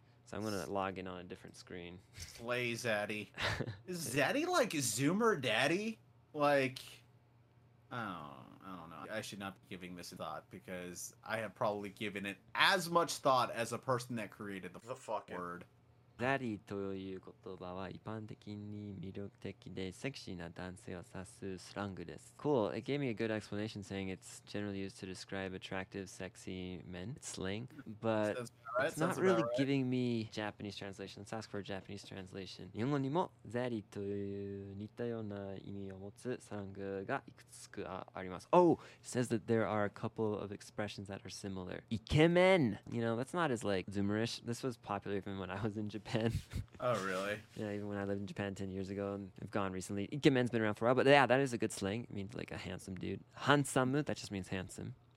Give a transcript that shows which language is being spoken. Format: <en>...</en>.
<en>So I'm going to log in on a different screen. Slay Zaddy. Is Zaddy like Zoomer Daddy? Like, I don't know. I should not be giving this a thought because I have probably given it as much thought as a person that created the fucking word.</en> <ja>Zaddy という言葉は一般的に魅力的でセクシーな男性を指すスラングです。</ja> <en>Cool. It gave me a good explanation saying it's generally used to describe attractive, sexy men. Slang. But right. It's not really giving me Japanese translation. Let's ask for a Japanese translation.</en> <ja>日本語にもZaddyという似たような意味を持つスラングがいくつかあります。</ja> <en>Oh! It says that there are a couple of expressions that are similar. イケメン!You know, that's not as like zoomerish. This was popular even when I was in Japan. Oh, really? Yeah, even when I lived in Japan 10 years ago and I've gone recently. Ikemen's been around for a while, but yeah, that is a good slang. It means like a handsome dude. Hansamu, that just means handsome.</en>